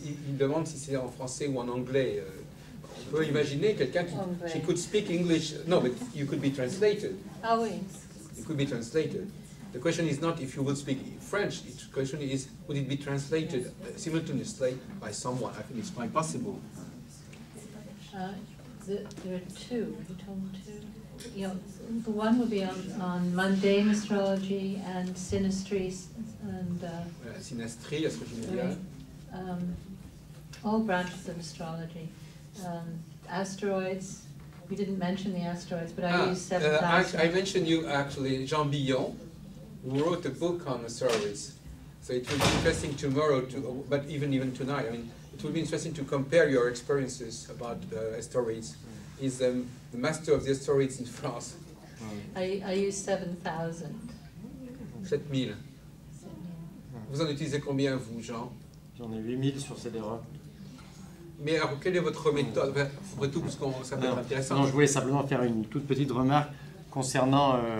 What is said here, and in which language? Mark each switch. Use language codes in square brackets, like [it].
[fr] Il demande si c'est en français ou en anglais. On peut imaginer quelqu'un qui... [en] She could speak English. No, but you could be translated. [fr] Ah oui. [en] You could be translated. The question is not if you would speak French. The question is, would it be translated simultaneously by someone? I think it's quite possible. There are two. You told me two. You know, the one will be on mundane astrology and synastries and. [fr] Synastrie, astrologie mondiale. [en] All branches of astrology, asteroids. We didn't mention the asteroids, but I used 7,000. I mentioned you actually, Jean Billon. We wrote a book on the service, so it will be interesting tomorrow, but even tonight. I mean, it will be interesting to compare your experiences about asteroids. He's the master of the asteroids in France. I use 7,000. 7,000. [fr] Vous en utilisez combien, vous, Jean? J'en ai 8,000 sur Cédera. Mais alors, quelle est votre méthode? Après tout, parce que ça peut être intéressant. Non, je voulais simplement faire une toute petite remarque concernant...